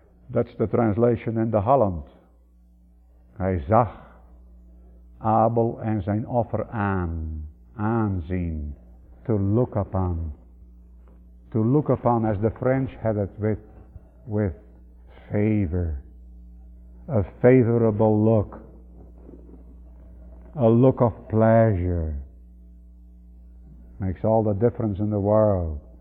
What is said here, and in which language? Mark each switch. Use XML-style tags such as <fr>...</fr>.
<en>That's the translation in the Holland.</en> <nl>Hij zag Abel en zijn offer aan, aanzien,</nl> <en>to look upon. To look upon, as the French had it, with favor, a favorable look, a look of pleasure, makes all the difference in the world.</en>